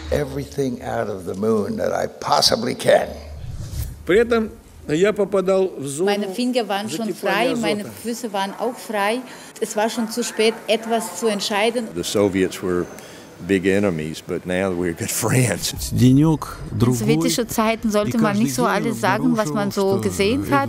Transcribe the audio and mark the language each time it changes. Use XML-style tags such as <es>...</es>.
<en>Everything out of the moon that I possibly can.</en> <ru>При этом я попадал в зону.</ru> <de>Meine Finger waren schon frei, meine Füße waren auch frei. Es war schon zu spät, etwas zu entscheiden.</de> <en>The Soviets were big enemies, but now we're good friends.</en> <ru>Денёк другой. В советские</ru> <de>Zeiten sollte man nicht so alles sagen, was man so gesehen hat.</de>